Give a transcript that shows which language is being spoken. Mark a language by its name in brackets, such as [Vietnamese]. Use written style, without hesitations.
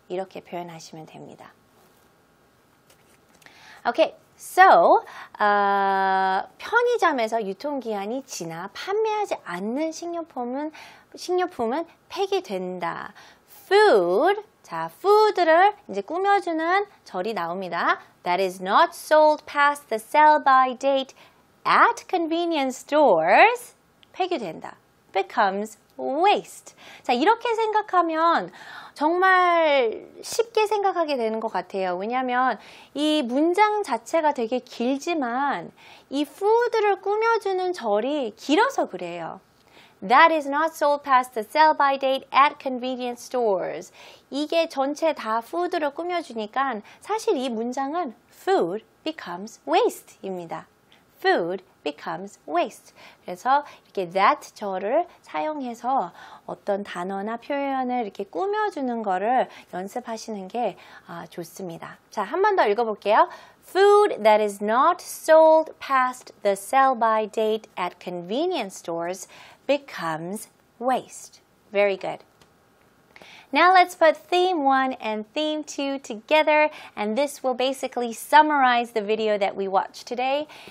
[Korean] 이렇게 표현하시면 됩니다. [English] Okay. [Korean] So, 편의점에서 유통기한이 지나 판매하지 않는 식료품은 폐기된다. Food, 자, food를 이제 꾸며주는 절이 나옵니다. [English] That is not sold past the sell-by date at convenience stores. 폐기된다. Becomes waste. [Korean] 자, 이렇게 생각하면 정말 쉽게 생각하게 되는 것 같아요. 왜냐하면 이 문장 자체가 되게 길지만 이 food를 꾸며주는 절이 길어서 그래요. [English] That is not sold past the sell-by date at convenience stores. [Korean] 이게 전체 다 food로 꾸며주니까 사실 이 문장은 food becomes waste 입니다. [English] Food becomes waste. [Korean] 그래서 이렇게 that 저를 사용해서 어떤 단어나 표현을 이렇게 꾸며주는 거를 연습하시는 게 좋습니다. 자, 한 번 더 읽어볼게요. [English] Food that is not sold past the sell-by date at convenience stores becomes waste. Very good. Now let's put theme 1 and theme 2 together, and this will basically summarize the video that we watched today.